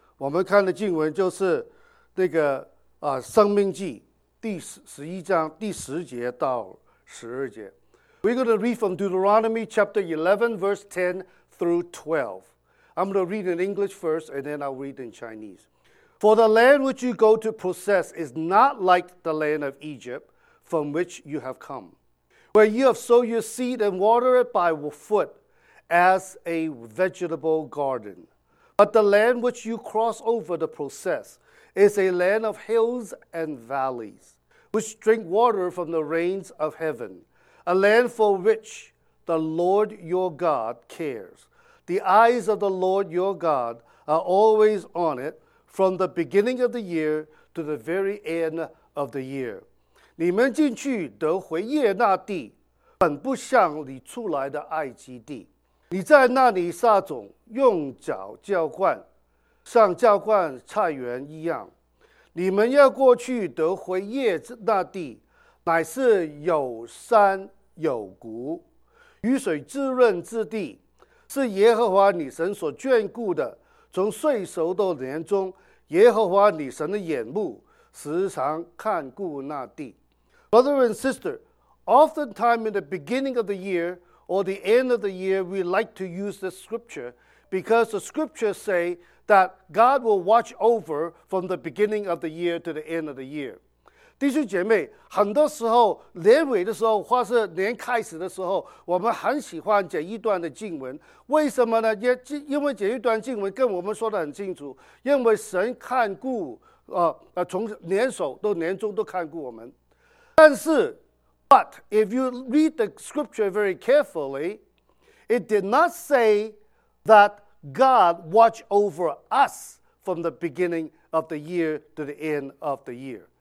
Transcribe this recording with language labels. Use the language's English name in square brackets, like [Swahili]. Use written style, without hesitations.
[Chinese] 我们看的经文就是那个生命记第11章第10节到12节。 [English] We're going to read from Deuteronomy chapter 11 verse 10 through 12. I'm going to read in English first and then I'll read in Chinese. For the land which you go to possess is not like the land of Egypt from which you have come, where you have sowed your seed and watered it by foot as a vegetable garden. But the land which you cross over to possess is a land of hills and valleys, which drink water from the rains of heaven, a land for which the Lord your God cares. The eyes of the Lord your God are always on it,From the beginning of the year to the very end of the year. [Chinese] 你们进去得回耶那地，本不像你出来的埃及地。你在那里撒种，用脚浇灌，像浇灌菜园一样。你们要过去得回耶那地，乃是有山有谷，雨水滋润之地，是耶和华你神所眷顾的，从岁首到年终。耶和华你神的眼目时常看顾那地。 [English] Brother and sister, oftentimes in the beginning of the year or the end of the year, we like to use this scripture because the scriptures say that God will watch over from the beginning of the year to the end of the year. [Chinese] 弟兄姐妹，很多时候年尾的时候或是年开始的时候，我们很喜欢这一段的经文，为什么呢？因为这一段经文跟我们说得很清楚，因为神看顾从年首到年终都看顾我们。但是 [English] But if you read the scripture very carefully, it did not say that God watch over us from the beginning of the year to the end of the year.